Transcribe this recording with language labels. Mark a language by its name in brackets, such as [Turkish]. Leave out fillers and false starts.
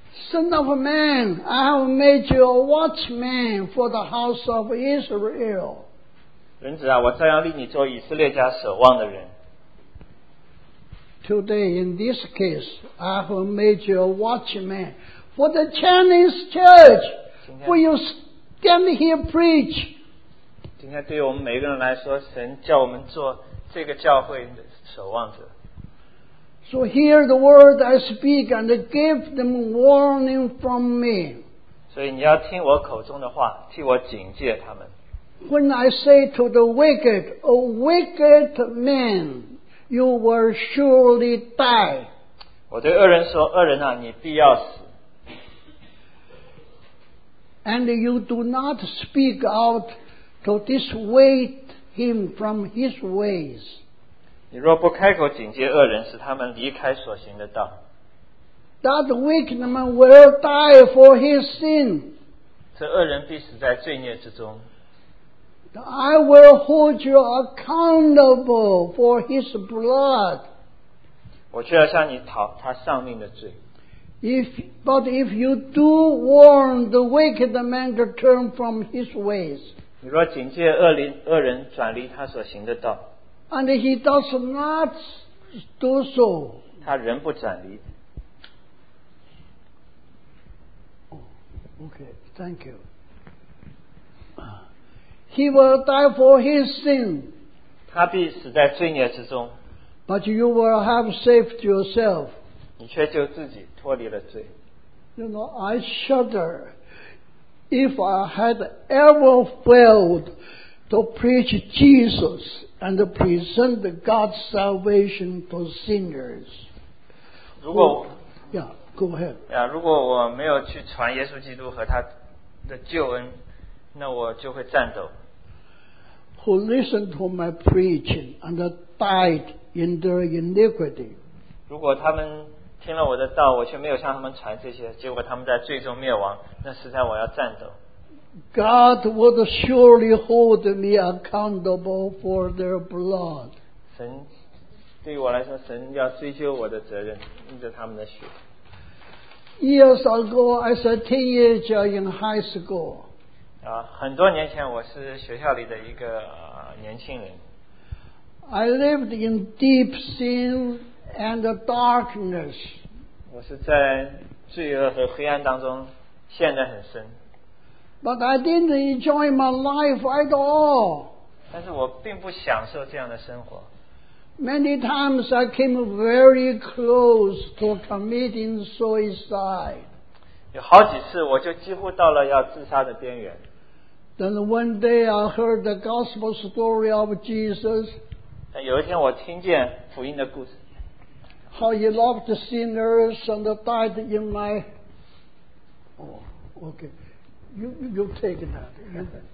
[English] Son of man, I have made you a watchman for the house of Israel. [Chinese] 人子啊，我照样立你做以色列家守望的人。 [English] Today, in this case, I have made you a watchman for the Chinese church. Will you stand here preach? [Chinese] 今天对我们每个人来说，神叫我们做这个教会的守望者。 [English] So hear the word I speak and give them warning from me. [Chinese] 所以你要听我口中的话，替我警戒他们。 [English] When I say to the wicked, O wicked man, you will surely die. [Chinese] 我对恶人说，恶人啊，你必要死。 [English] And you do not speak out to dissuade him from his ways. [Chinese] 你若不开口警戒恶人，使他们离开所行的道。 [English] That wicked man will die for his sin. [Chinese] 这恶人必死在罪孽之中。 [English] I will hold you accountable for his blood. [Chinese] 我却要向你讨他上命的罪。 [English] But if you do warn the wicked man to turn from his ways, [Chinese] 你若警戒恶人转离他所行的道。 [English] And he does not do so. [Chinese] 他仍不转离。 [English] Okay, thank you. He will die for his sin. [Chinese] 他必死在罪孽之中。 [English] But you will have saved yourself. [Chinese] 你却救自己脱离了罪。 [English] You know, I shudder if I had ever failed to preach Jesus and present God's salvation to sinners. [Chinese] 如果, [English] who, yeah, Go ahead. [Chinese] 如果我没有去传耶稣基督和他的救恩，那我就会颤抖。 [English] Who listened to my preaching and died in their iniquity? [Chinese] 如果他们听了我的道，我却没有向他们传这些，结果他们在最终灭亡，那实在我要颤抖。 [English] God would surely hold me accountable for their blood. [Chinese] 神对我来说，神要追究我的责任，因着他们的血。 [English] Years ago, as a teenager in high school. [Chinese] 很多年前我是学校里的一个年轻人。 [English] I lived in deep sin and darkness. [Chinese] 我是在罪恶和黑暗当中陷得很深。 [English] But I didn't enjoy my life at all. [Chinese] 但是我并不享受这样的生活。 [English] Many times I came very close to committing suicide. [Chinese] 有好几次我就几乎到了要自杀的边缘。 [English] Then one day I heard the gospel story of Jesus. [Chinese] 有一天我听见福音的故事。 [English] How he loved sinners and died in my... Oh, okay. You take that.